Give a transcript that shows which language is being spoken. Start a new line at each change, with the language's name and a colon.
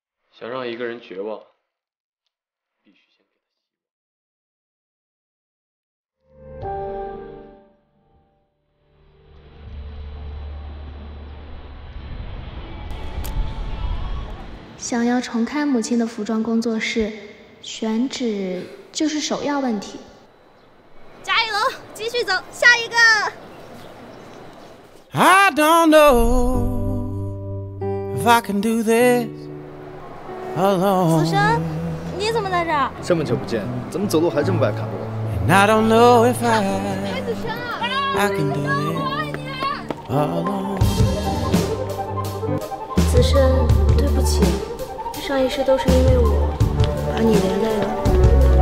Chinese: 想让一个人绝望，必须先给他希望。想要重开母亲的服装工作室，选址就是首要问题。加油，继续走，下一个。
English: I don't know if I can do this alone.
Chinese: 子深，你怎么在这儿？这么久不见，怎么走路还这么不爱看路？
English: And I don't know if I can do this alone.
Chinese: 子深，我爱你。子深，对不起，上一世都是因为我把你连累了。